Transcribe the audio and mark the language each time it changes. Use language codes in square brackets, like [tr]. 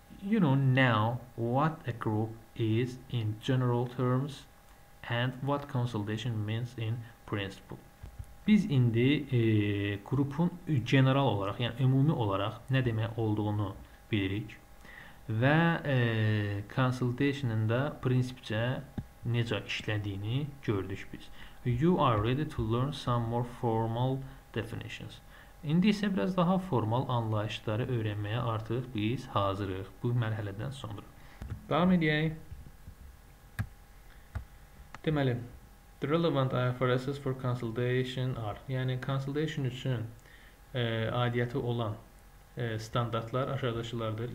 [en] You know now what a group is in general terms and what consolidation means in principle. [az] Biz indi qrupun general olaraq, yəni ümumi olaraq nə demək olduğunu bilirik və consolidation-ın da prinsipcə necə işlədiyini gördük biz. [en] You are ready to learn some more formal definitions. [az] İndi isə biraz daha formal anlayışları öyrənməyə artıq biz hazırıq bu mərhələdən sonra. Davam edək. [en] Deməli, the relevant IFRS's for consolidation are. [az] Yəni consolidation üçün aidiyyəti olan standartlar aşağıdakılardır.